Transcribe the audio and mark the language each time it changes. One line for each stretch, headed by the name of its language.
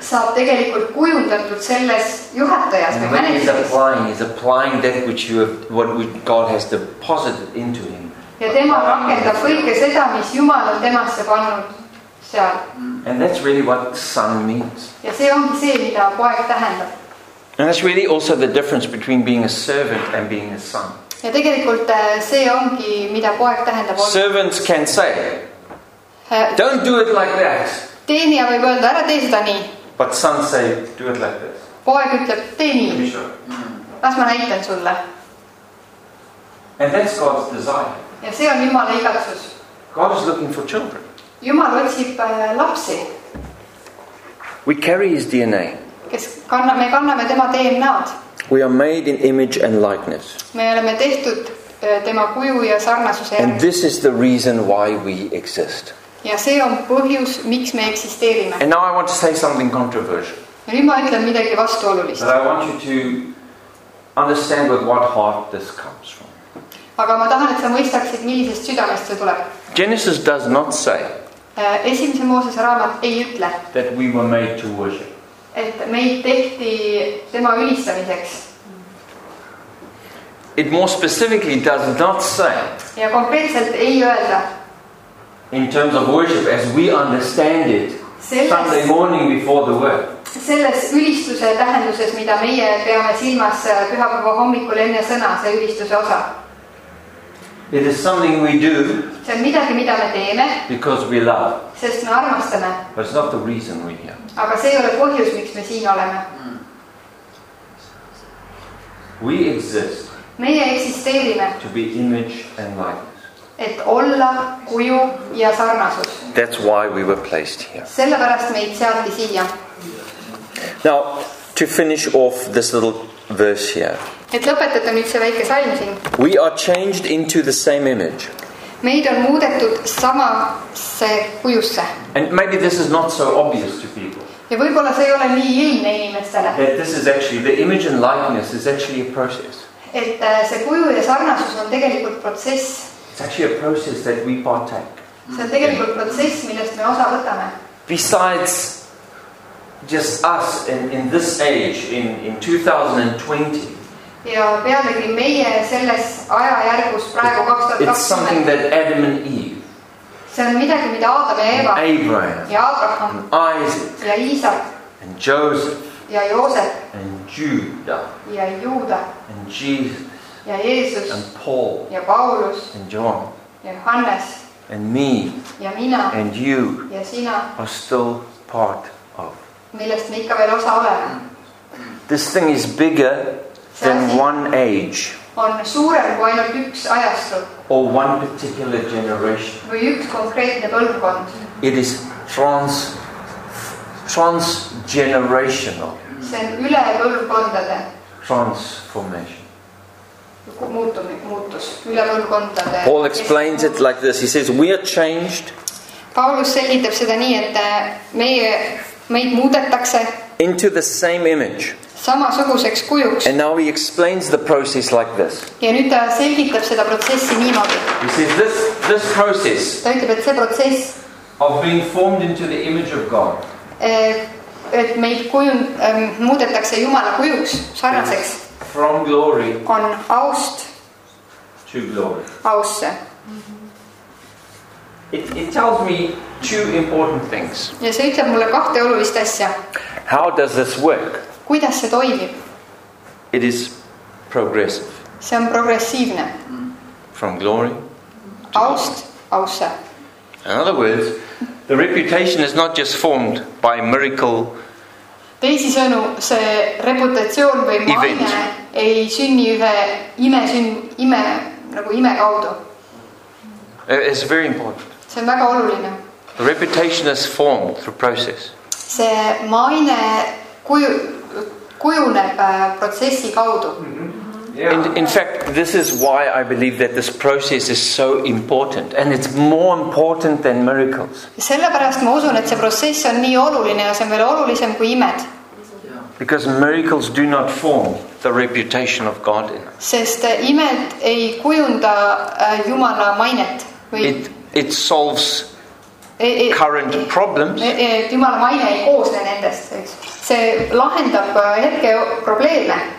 Estonian: Saab tegelikult kujundatud selles juhatajas või manageris.
English: And when he's applying that which you have, what God has deposited into him.
Estonian: Ja tema rakendab kõike seda, mis Jumal on temasse pannud. Seal.
English: And that's really what son means.
Estonian: Ja see ongi see, mida poeg tähendab.
English: And that's really also the difference between being a servant and being a son.
Estonian: Ja tegelikult see ongi, mida poeg tähendab.
English: Servants can say, don't do it like that.
Estonian: Teenija võib öelda, ära tee seda nii.
English: But son say, do it like this.
Estonian: Poeg ütleb, tee nii. Las ma näitan sulle.
English: And that's God's desire.
Estonian: Ja see on Jumala igatsus.
English: God is looking for children.
Estonian: Jumal otsib lapsi.
English: We carry his DNA.
Estonian: Me kanname tema DNA-d.
English: We are made in image and likeness.
Estonian: Me oleme tehtud tema kuju ja sarnasuse järgi.
English: And this is the reason why we exist.
Estonian: Ja see on põhjus, miks me eksisteerime.
English: And now I want to say something controversial.
Estonian: Ja nüüd ma ütlen midagi vastuolulist.
English: But I want you to understand with what heart this comes from.
Estonian: Aga ma tahan, et sa mõistaksid, millisest südamest see tuleb.
English: Genesis does not say.
Estonian: Esimese Moosese raamat ei ütle.
English: That we were made to worship.
Estonian: Et meid tehti tema ülistamiseks.
English: It more specifically does not say.
Estonian: Ja konkreetselt ei öelda.
English: In terms of worship as we understand it.
Estonian: Selles,
English: Sunday morning before the work.
Estonian: Selles ülistuse tähenduses, mida meie peame silmas pühapäeva hommikul enne sõna, see ülistuse osa.
English: It is something we do.
Estonian: See on midagi, mida me teeme.
English: Because we love.
Estonian: Sest me armastame.
English: But it's not the reason we are.
Estonian: Aga see ei ole põhjus, miks me siin oleme.
English: We exist.
Estonian: Meie eksisteerime.
English: To be image and likeness.
Estonian: Et olla kuju ja sarnasus.
English: That's why we were placed here.
Estonian: Sellepärast meid seati siia.
English: Now, to finish off this little verse here.
Estonian: Et lõpetada nüüd see väike salm siin.
English: We are changed into the same image.
Estonian: Meid on muudetud samasse kujusse.
English: And maybe this is not so obvious to people.
Estonian: Ja võib-olla see ei ole nii ilmne inimestele.
English: That this is actually, the image and likeness is actually a process.
Estonian: Et see kuju ja sarnasus on tegelikult protsess.
English: It's actually a process that we partake.
Estonian: See on tegelikult protsess, millest me osa võtame.
English: Besides just us in this age, in 2020,
Estonian: ja pealegi meie selles ajajärgus praegu 2020.
English: It's something that Adam and Eve.
Estonian: See on midagi, mida Adam ja Eva.
English: Abraham.
Estonian: Ja Abraham.
English: Isaac.
Estonian: Ja Isaac.
English: And Joseph.
Estonian: Ja Joosef.
English: And Judah.
Estonian: Ja Juuda.
English: And Jesus.
Estonian: Ja Jeesus.
English: And Paul.
Estonian: Ja Paulus.
English: And John.
Estonian: Ja Johannes.
English: and me
Estonian: ja mina
English: and you
Estonian: ja sina
English: are still part of.
Estonian: Millest me ikka veel osa oleme.
English: This thing is bigger than one age.
Estonian: On suurem kui ainult üks ajastu.
English: Or one particular generation.
Estonian: Või üks konkreetne põlvkond.
English: It is transgenerational.
Estonian: See on üle põlvkondade.
English: Transformation.
Estonian: Muutus, üle põlvkondade.
English: Paul explains it like this. He says, we are changed.
Estonian: Paulus selgitab seda nii, et meid muudetakse.
English: Into the same image.
Estonian: Samasuguseks kujuks.
English: And now he explains the process like this.
Estonian: Ja nüüd ta selgitab seda protsessi niimoodi.
English: He says this process.
Estonian: Ta ütleb, et see protsess.
English: Of being formed into the image of God.
Estonian: Et meid muudetakse Jumala kujuks, sarnaseks.
English: From glory.
Estonian: On aust.
English: To glory.
Estonian: Ausse.
English: It tells me two important things.
Estonian: Ja see ütleb mulle kahte olulist asja.
English: How does this work?
Estonian: Kuidas see toimib?
English: It is progressive.
Estonian: See on progressiivne.
English: From glory.
Estonian: Aust, ausse.
English: In other words, the reputation is not just formed by miracle.
Estonian: Teisi sõnu, see reputatsioon või maine ei sünni ühe ime nagu ime kaudu.
English: It's very important.
Estonian: See on väga oluline.
English: The reputation is formed through process.
Estonian: See maine kujuneb protsessi kaudu. Mm-hmm.
English: Yeah. In fact, this is why I believe that this process is so important, and it's more important than miracles.
Estonian: Sellepärast ma usun, et see protsess on nii oluline ja see on veel olulisem kui imed.
English: Because miracles do not form the reputation of God in us.
Estonian: Sest imed ei kujunda Jumala mainet.
English: It solves current problems.
Estonian: Jumala maine ei koosne nendest. See lahendab hetke probleeme.